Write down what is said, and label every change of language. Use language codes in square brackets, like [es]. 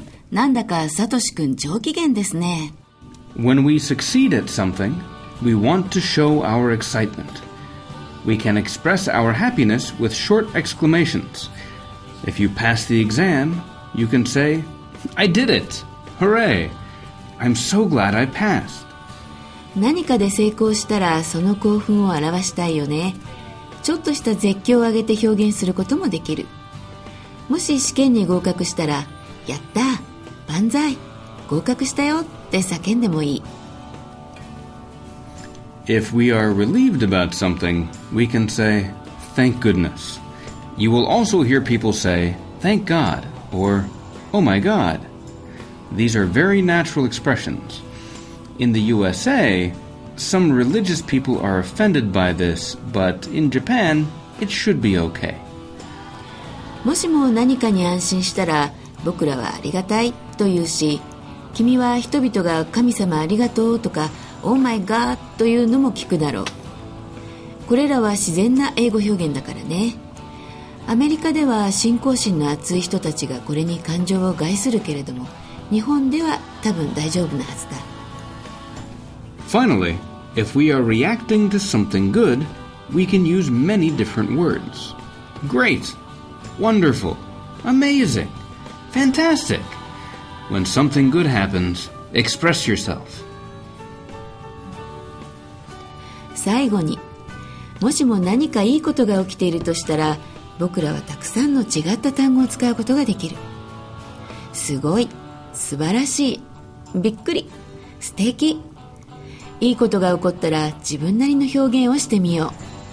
[ja] なんだかサトシ君上機嫌ですね。 [en] When we succeed at something, we want to show our excitement. We can express our happiness with short exclamations. If you pass the exam, you can say, "I did it! Hooray! I'm so glad I passed." [ja] 何かで成功したらその興奮を表したいよね。ちょっとした絶叫を上げて表現することもできる。もし試験に合格したら、やった、万歳、合格したよって叫んでもいい。 [en] If we are relieved about something, we can say, "Thank goodness." You will also hear people say, "Thank God," or "Oh my God." These are very natural expressions. In the USA, some religious people are offended by this, but in Japan, it should be okay. [ja] もしも何かに安心したら、僕らはありがたいと言うし、君は人々が神様ありがとうとか、 [en] Oh my God [ja] というのも聞くだろう。これらは自然な英語表現だからね。アメリカでは信仰心の厚い人たちがこれに感情を害するけれども、日本では多分大丈夫なはずだ。 [en] Finally, if we are reacting to something good, we can use many different words. Great! Wonderful! Amazing! Fantastic! When something good happens, express yourself. [ja] 最後に、もしも何かいいことが起きているとしたら、僕らはたくさんの違った単語を使うことができる。すごい、素晴らしい、びっくり、素敵。いいことが起こったら自分なりの表現をしてみよう。